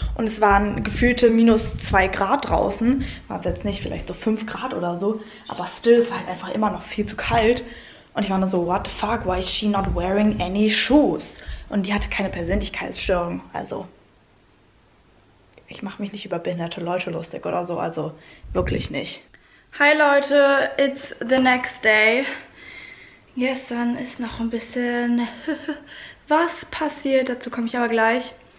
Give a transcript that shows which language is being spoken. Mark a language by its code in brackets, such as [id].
[de] Und es waren gefühlte minus 2 Grad draußen. War es jetzt nicht, vielleicht so 5 Grad oder so. Aber still, es war halt einfach immer noch viel zu kalt. Und ich war nur so, [en] what the fuck, why is she not wearing any shoes? [de] Und die hatte keine Persönlichkeitsstörung, also... Ich mache mich nicht über behinderte Leute lustig oder so, also wirklich nicht. [en] Hi Leute, it's the next day. [de] Gestern ist noch ein bisschen was passiert, dazu komme ich aber gleich.